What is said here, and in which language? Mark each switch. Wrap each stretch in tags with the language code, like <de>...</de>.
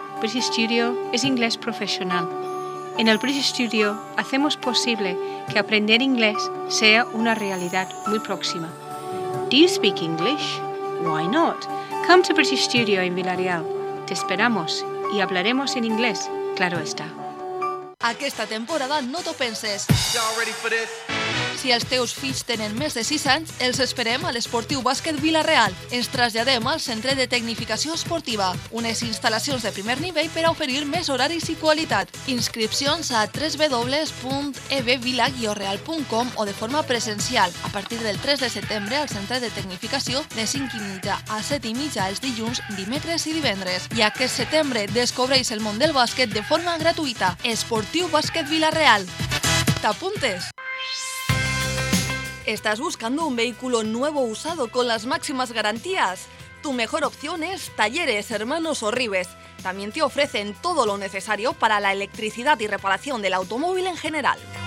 <es>British Studio es inglés profesional. En el British Studio hacemos posible que aprender inglés sea una realidad muy próxima.</es> <en>Do you speak English? Why not? Come to British Studio en Villarreal.</en> <es>Te esperamos y hablaremos en inglés. Claro está.</es> <ca>Aquesta temporada no t'ho penses.</ca> <en>Y'all ready for this?</en> <ca>Si els teus fills tenen més de 6 anys, els esperem a l'Esportiu Bàsquet Vila-real. Ens traslladem al Centre de Tecnificació Esportiva, unes instal·lacions de primer nivell per a oferir més horaris i qualitat. Inscripcions a www.ebvila-real.com o de forma presencial a partir del 3 de setembre al Centre de Tecnificació de 5:30 a 7:30 els dilluns, dimecres i divendres. I aquest setembre descobreix el món del bàsquet de forma gratuïta. Esportiu Bàsquet Vila-real. T'apuntes?</ca> <es>¿Estás buscando un vehículo nuevo usado con las máximas garantías? Tu mejor opción es Talleres Hermanos Orribes. También te ofrecen todo lo necesario para la electricidad y reparación del automóvil en general.</es>